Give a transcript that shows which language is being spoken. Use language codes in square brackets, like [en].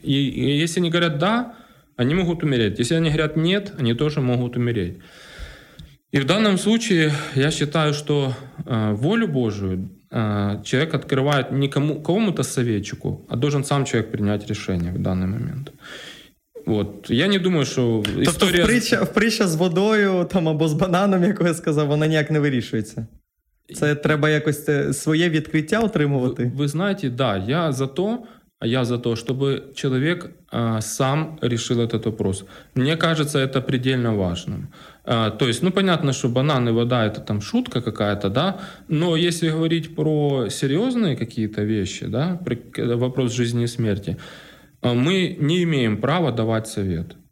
[ru] И если они говорят «да», они могут умереть. Если они говорят «нет», они тоже могут умереть. И в данном случае я считаю, что волю Божию человек открывает не кому-то советчику, а должен сам человек принять решение в данный момент. Вот. Я не думаю, что история... притча с водой там, або с бананом, как я сказал, она никак не вирішується. [uk] Це треба якось своє відкриття отримувати. Ви знаєте, [ru] да, я за то, чтобы человек сам решил этот вопрос. Мне кажется, это предельно важным. То есть, ну, понятно, что банан и вода — это там шутка какая-то, да? Но если говорить про серьезные какие-то вещи, да, вопрос жизни и смерти, мы не имеем права давать совет.